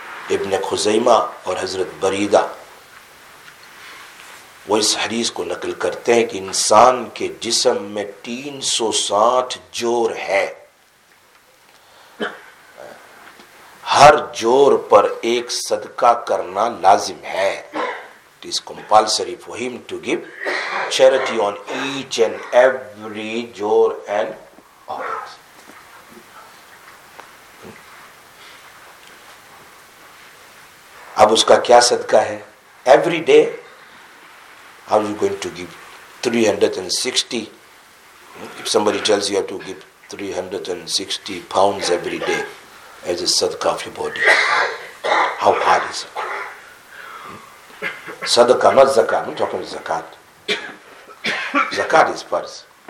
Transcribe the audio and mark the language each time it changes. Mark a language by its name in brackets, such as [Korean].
[Urdu] Ibn Khuzaima aur Hazrat Barida وہ اس حدیث کو نقل کرتے ہیں کہ انسان کے جسم میں 360 جوڑ ہے. ہر جوڑ پر ایک صدقہ کرنا لازم ہے. [English] It is compulsory for him to give charity on each and every جوڑ and organs. [Urdu] اب اس کا کیا صدقہ ہے؟ [English] Every day. How are you going to give 360? If somebody tells you have to give 360 pounds every day as a sadaqah of your body, how hard is it? Sadaqah, not zakat. I'm talking about zakat. Zakat is farz.